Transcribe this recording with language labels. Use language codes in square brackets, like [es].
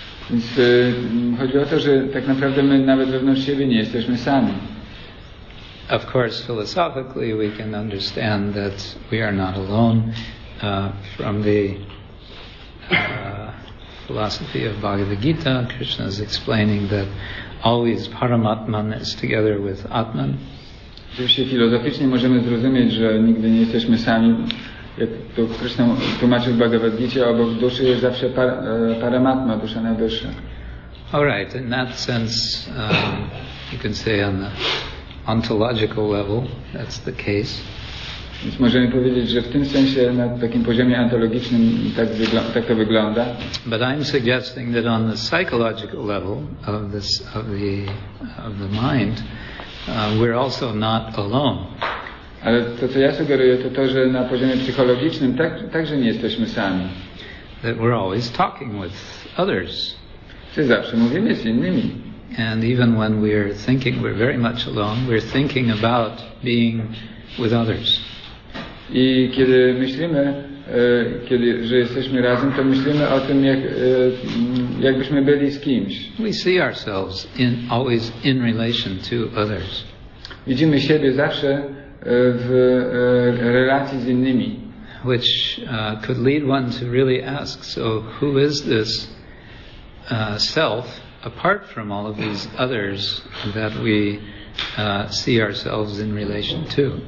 [pl] Więc chodzi o to, że tak naprawdę my nawet wewnątrz siebie nie jesteśmy sami. [en] Of course philosophically we can understand that we are not alone from the philosophy of Bhagavad Gita. Krishna is explaining that always Paramatman is together with Atman. [pl] Oczywiście filozoficznie możemy zrozumieć, że nigdy nie jesteśmy sami. Jak to Krishna tłumaczy w Bhagavad Gita, obok duszy jest zawsze Paramatma, dusza na duszy. [en] All right, in that sense, you can say on the ontological level, that's the case. [pl] Więc możemy powiedzieć, że w tym sensie, na takim poziomie ontologicznym, tak to wygląda. [en] But I'm suggesting that on the psychological level of the mind, we're also not alone. [pl] Ale to, co ja sugeruję, to że na poziomie psychologicznym także nie jesteśmy sami. [en] That we're always talking with others. [pl] Czy zawsze mówimy z innymi. [en] And even when we're thinking we're very much alone, we're thinking about being with others. [pl] I kiedy myślimy, kiedy, że jesteśmy razem, to myślimy o tym, jak, jakbyśmy byli z kimś. [en] We see ourselves in, always in relation to others. [pl] Widzimy siebie zawsze w relacji z innymi. [en] Which could lead one to really ask, so who is this self apart from all of these others that we see ourselves in relation to?